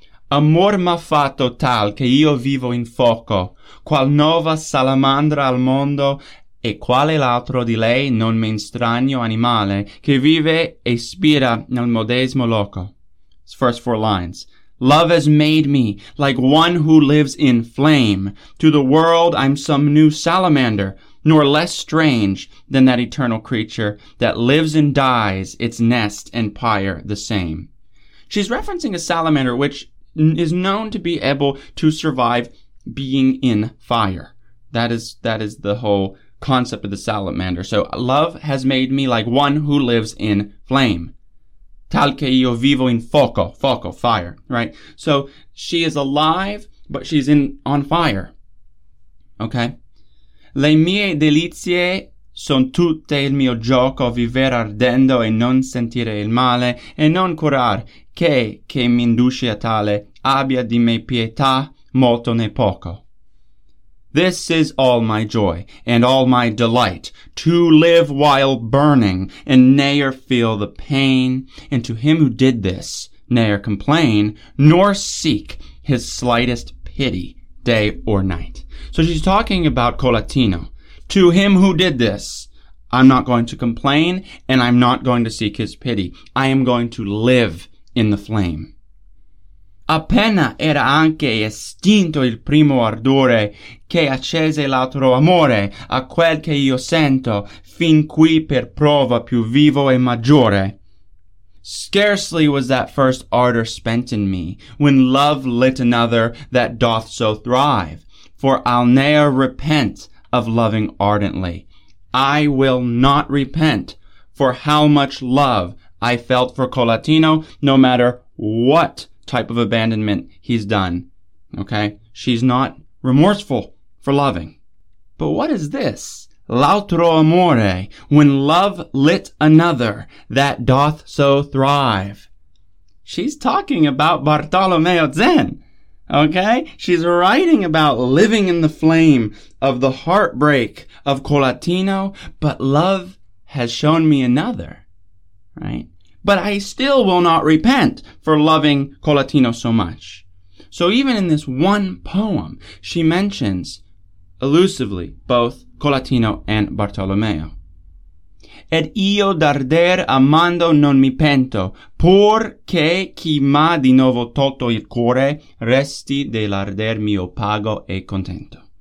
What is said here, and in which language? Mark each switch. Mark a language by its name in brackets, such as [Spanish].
[Italian] Amor m'ha fatto tal che io vivo in fuoco, qual nova salamandra al mondo e quale l'altro di lei non men strano animale che vive e spira nel medesimo loco. [English] His first four lines. Love has made me like one who lives in flame. To the world, I'm some new salamander, nor less strange than that eternal creature that lives and dies, its nest and pyre the same. She's referencing a salamander which is known to be able to survive being in fire. That is the whole concept of the salamander. So, love has made me like one who lives in flame. [Italian] Tal che io vivo in fuoco. [English] Fuoco, fire, right? So, she is alive, but she's in on fire. Okay? [Italian] Le mie delizie son tutte il mio gioco, viver ardendo e non sentire il male, e non curar che mi induce a tale, abbia di me pietà molto né poco. [English] This is all my joy and all my delight, to live while burning and ne'er feel the pain, and to him who did this ne'er complain, nor seek his slightest pity day or night. So she's talking about Colatino. To him who did this, I'm not going to complain and I'm not going to seek his pity. I am going to live in the flame. [Italian] Appena era anche estinto il primo ardore che accese l'altro amore a quel che io sento fin qui per prova più vivo e maggiore. [English] Scarcely was that first ardor spent in me when love lit another that doth so thrive, for I'll ne'er repent of loving ardently. I will not repent for how much love I felt for Colatino, no matter what type of abandonment he's done. Okay? She's not remorseful for loving. But what is this? [Italian] L'altro amore, [English] when love lit another that doth so thrive. She's talking about Bartolomeo Zen. Okay? She's writing about living in the flame of the heartbreak of Colatino, but love has shown me another. Right? But I still will not repent for loving Colatino so much. So even in this one poem, she mentions elusively both Colatino and Bartolomeo. [Italian] Ed io d'arder amando non mi pento, pur che chi m'ha di nuovo tolto il cuore resti dell'arder mio pago e contento.